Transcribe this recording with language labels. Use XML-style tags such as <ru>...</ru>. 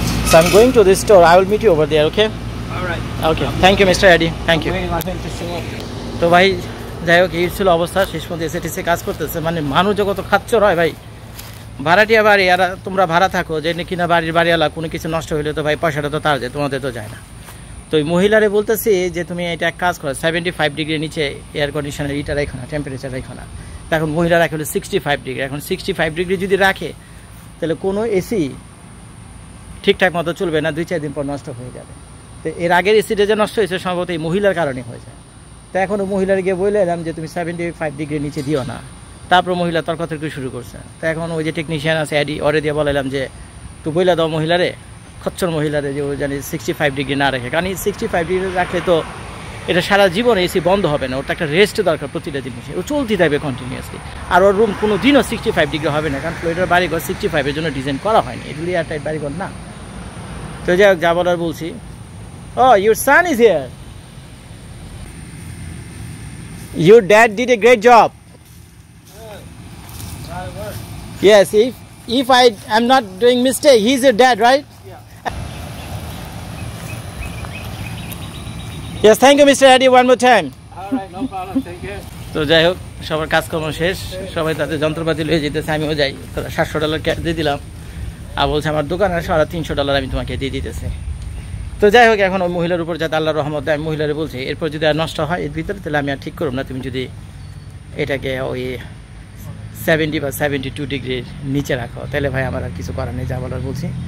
<en>So I'm going to this store. I will meet you over there, okay? All right. Okay. Thank you, Mr. Eddie. Thank you.</en> <bn>So, bhai, যাই হোক, এই ছিল অবস্থা। শেষ পর্যন্ত এসে টিসে কাজ করতেছে, মানে মানুষ যত খাচ্ছর হয় ভাই, ভাড়াটিয়া বাড়ি আর তোমরা ভাড়া থাকো, যে কিনা বাড়ির বাড়িওয়ালা কোনো কিছু নষ্ট হইলে তো ভাই পয়সাটা তো তার যায়, তোমাদের তো যায় না। তো ওই মহিলারে বলতেছি যে তুমি এটা এক কাজ করো, 75 ডিগ্রির নিচে এয়ার কন্ডিশনের হিটার রাখো না, টেম্পারেচার রাখো না। এখন মহিলা রাখে হলো 65 ডিগ্রি, এখন 65 ডিগ্রি যদি রাখে তাহলে কোনো এসি ঠিকঠাক মতো চলবে না, 2-4 দিন পর নষ্ট হয়ে যাবে। তো এর আগের এসিটা যে নষ্ট হয়েছে সম্ভবত এই মহিলার কারণে হয়ে যায়। তা এখন মহিলার গিয়ে বলে এলাম যে তুমি 75 ডিগ্রি নিচে দিও না, তারপর মহিলা তর্কতর্কি শুরু করছে। তা এখন ওই যে টেকনিশিয়ান আছে অ্যাডি অরে দিয়ে বলাইলাম যে তুই বইলা দাও মহিলারে, খচ্চর মহিলারে, যে ও জানি 65 ডিগ্রি না রাখে, কারণ 65 ডিগ্রি রাখলে তো এটা সারা জীবন এসি বন্ধ হবে না, ওটা একটা রেস্ট দরকার প্রতিটা জিনিসে, ও চলতে থাকবে কন্টিনিউয়াসলি। আর ওর রুম কোনো দিনও 65 ডিগ্রি হবে না, কারণ ফ্লোরের বাড়িঘর 65-এর জন্য ডিজাইন করা হয়নি, এগুলি এয়ার টাইট বাড়িঘর না। তো যাই হোক, যা বলার বলছি।</bn> <en>Oh, your son is here, your dad did a great job. Yes, if I am not doing mistake, he's your dad, right? Yeah. Yes, thank you, Mr. Eddie, one more time. All right, no problem, thank you.</en> <bn>তো যাই হোক, সবার কাজকর্ম শেষ, সবাই তাদের যন্ত্রপাতি লয়ে যেতেছে, আমিও যাই। $700 দিয়ে দিলাম, আর বলছে আমার দোকানে $350 আমি তোমাকে দিয়ে দিতেছি। তো যাই হোক, এখন ওই মহিলার উপর যাতে আল্লাহর রহমত দেয়, মহিলার বলছে এরপর যদি আর নষ্ট হয় এর ভিতরে তাহলে আমি আর ঠিক করব না, তুমি যদি এটাকে ওই 70 বা 72 ডিগ্রির নিচে রাখো তাহলে ভাই আমার আর কিছু করার নেই, যা বলার বলছি।</bn>